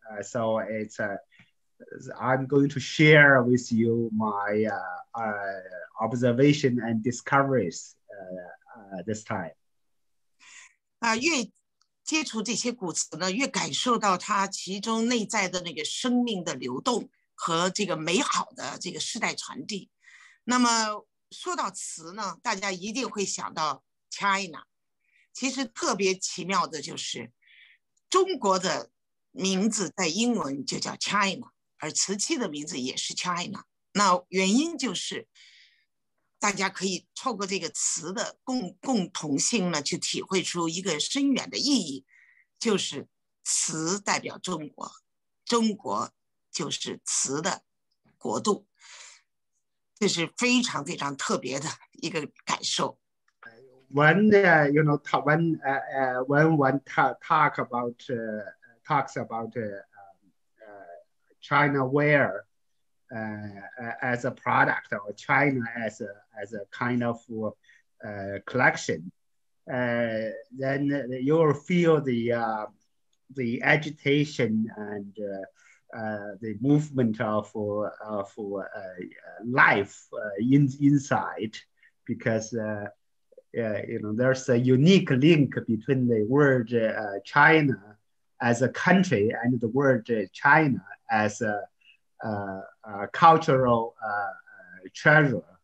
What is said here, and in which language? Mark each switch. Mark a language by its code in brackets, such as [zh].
[en] So I'm going to share with you my observation and discoveries this time. [zh] 越接触这些古瓷呢，越感受到它其中内在的那个生命的流动和这个美好的这个世代传递。那么说到瓷呢，大家一定会想到 China。其实特别奇妙的就是，中国的名字在英文就叫 China，而瓷器的名字也是 China。那原因就是，大家可以透过这个词的共同性呢，去体会出一个深远的意义，就是词代表中国，中国就是词的国度，这是非常非常特别的一个感受。 [en] When you know when one talks about China ware as a product or China as a kind of collection, then you'll feel the agitation and the movement of life inside because there's a unique link between the word China as a country and the word China as a cultural treasure.